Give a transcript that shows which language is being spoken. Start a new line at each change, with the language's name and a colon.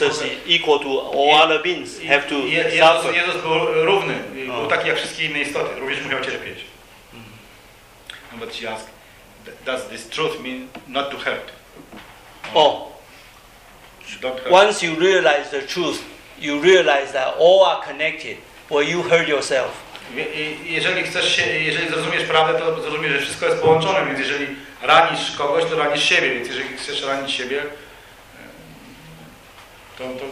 English: Jesus powie, equal to all other beings have to
Polish: Jezus był równy, był taki jak wszystkie inne istoty, również musiał cierpieć. Mm-hmm.
English: But she asked, does this truth mean not to hurt? Once you realize the truth, you realize that all are connected. Well, you hurt yourself.
Polish: Jeżeli zrozumiesz prawdę, to zrozumiesz, że wszystko jest połączone, więc jeżeli ranisz kogoś, to ranisz siebie, więc jeżeli chcesz ranić siebie, to